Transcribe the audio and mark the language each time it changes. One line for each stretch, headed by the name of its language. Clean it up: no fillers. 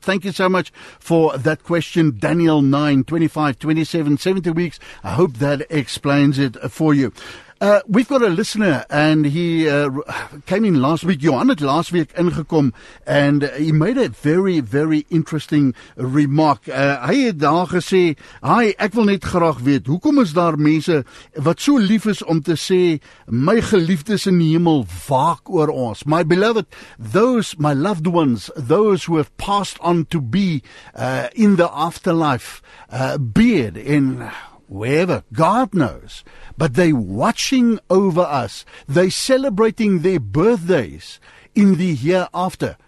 English: Thank you so much for that question. Daniel 9, 25, 27, 70 weeks. I hope that explains it for you. We've got a listener, and he came in last week. Johan had last week ingekom, and he made a very, very interesting remark.
Afrikaans: Hy het daar gesê, "Hi, ek wil net graag weet, hoekom is daar mense wat so lief is om te sê, my geliefdes in die hemel waak oor ons?
English: My beloved, those, my loved ones, those who have passed on to be in the afterlife, be it in wherever, God knows, but they watching over us. They celebrating their birthdays in the hereafter.